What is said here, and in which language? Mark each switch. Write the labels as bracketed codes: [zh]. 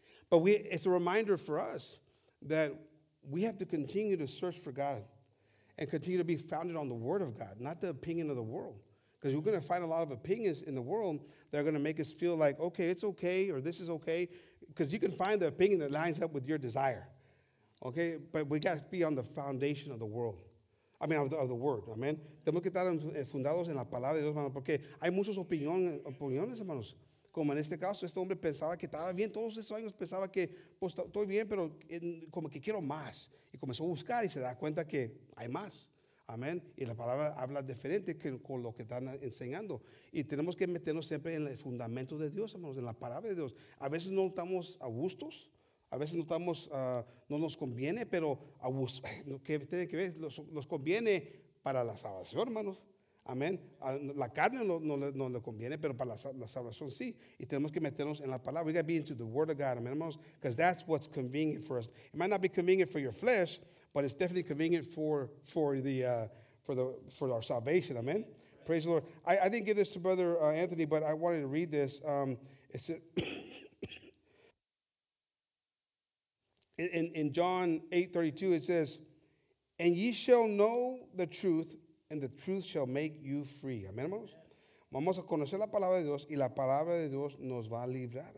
[en] But it's a reminder for us that we have to continue to search for God and continue to be founded on the word of God, not the opinion of the world. Because we're going to find a lot of opinions in the world that are going to make us feel like, okay, it's okay, or this is okay. Because you can find the opinion that lines up with your desire. Okay? But we got to be on the foundation of the world. I mean, of the word. Amen? [es] Tenemos que estar fundados en la palabra de Dios, hermanos. Porque hay muchas opiniones, hermanos. Como en este caso, este hombre pensaba que estaba bien. Todos esos años pensaba que, pues, estoy bien, pero como que quiero más. Y comenzó a buscar y se da cuenta que hay más. Amén. Y la palabra habla diferente que con lo que están enseñando. Y tenemos que meternos siempre en el fundamento de Dios, hermanos, en la palabra de Dios. A veces no estamos a gustos, a veces no estamos, no nos conviene, pero a gusto, ¿qué tiene que ver? Nos conviene para la salvación, hermanos. Amén. La carne no le conviene, pero para la salvación sí. Y tenemos que meternos en la palabra. [en] We got to be into the word of God, [es] amén, hermanos, [en] because that's what's convenient for us. It might not be convenient for your flesh, but it's definitely convenient for our salvation. Amen. Right. Praise the Lord. I didn't give this to Brother Anthony, but I wanted to read this. It's in John 8:32. It says, "And ye shall know the truth, and the truth shall make you free." [es] Amen, hermanos. Amen. Vamos a conocer la palabra de Dios, y la palabra de Dios nos va a librar.